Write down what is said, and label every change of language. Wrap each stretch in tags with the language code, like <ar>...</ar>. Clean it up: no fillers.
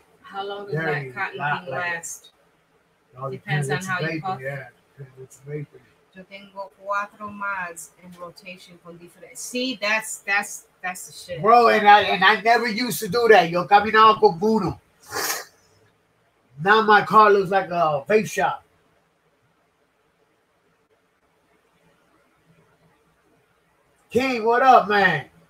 <en>How long does that cotton thing last? Depends on how you puff. Yeah, it's vaping.</en> <es>Yo tengo cuatro más</es> <en>in rotation</en> <es>con different.</es> <en>See, that's the shit. Bro, and I never used to do that.</en> <es>Yo caminaba con uno.</es> <en>Now my car looks like a vape shop. King, what up, man?</en>